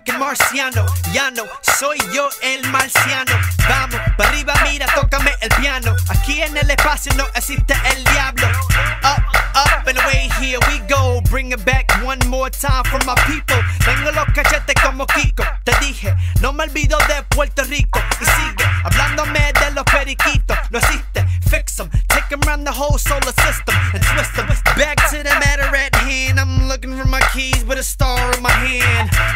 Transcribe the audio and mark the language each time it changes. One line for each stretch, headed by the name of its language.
Spanish: Marciano, ya no soy yo el marciano. Vamos, pa' arriba mira, tócame el piano. Aquí en el espacio no existe el diablo.
English: Up, up and away, here we go. Bring it back one more time for my people.
Spanish: Tengo los cachetes como Kiko. Te dije, no me olvido de Puerto Rico. Y sigue, hablándome de los periquitos. No existe,
English: fix them, take them around the whole solar system and twist them. Back to the matter at hand, I'm looking for my keys with a star in my hand.